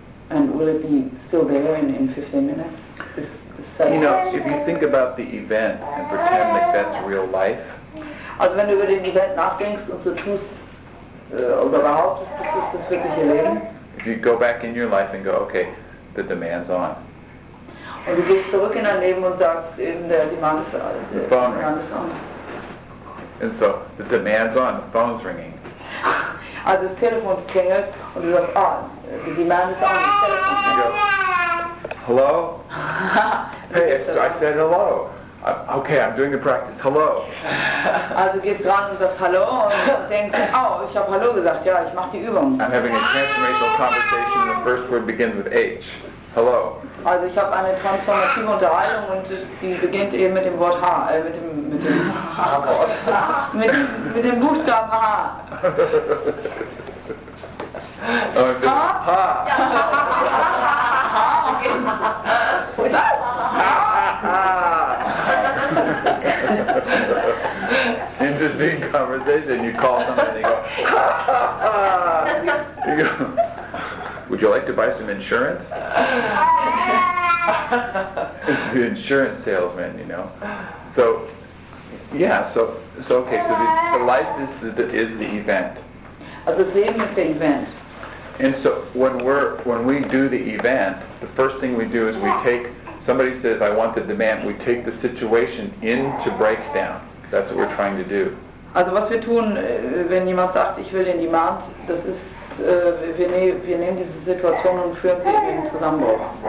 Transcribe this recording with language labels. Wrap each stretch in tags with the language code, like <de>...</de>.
<en>And will it be still there in 15 minutes? You know, if you think about the event and pretend like that's real life.</en> <de>Also wenn du über den Event nachdenkst und so tust, oder behauptest, das ist das wirkliche Leben.</de> <en>If you go back in your life and go, okay, the demand's on.</en> <de>Und du gehst zurück in dein Leben und sagst, eben der Demand ist</de> <en>the phone ringing. And so, the demand's on, the phone's ringing.</en> <de>Also das Telefon klingelt und du sagst, ah,</de> <en>the demand is on, the telephone. You go, hello? Hey, I said hello. I'm doing the practice, hello.</en> <de>Also gehst dran und sagst hallo und denkst, oh, ich habe hallo gesagt, ja, ich mache die Übung.</de> <en>I'm having a transformational conversation and the first word begins with H. Hello.</en> <de>Also ich habe eine transformative Unterhaltung und die beginnt eben mit dem Wort H, mit dem H-Wort. mit dem Buchstaben H. Oh, okay. Ha? Ha. Ha, wo geht's? Wo ist das? Ha.</de> <en>Interesting conversation. You call somebody and they go, ha, ha, ha. Would you like to buy some insurance? The insurance salesman, you know. So, yeah, so okay, so the life is the event. The same is the event. And so when we do the event, the first thing we do is we take, somebody says, I want the demand, we take the situation into breakdown. That's what we're trying to do.</en> <de>Also was wir tun, wenn jemand sagt, ich will den Demand, das ist, wir nehmen diese Situation und führen sie in den Zusammenbruch.</de>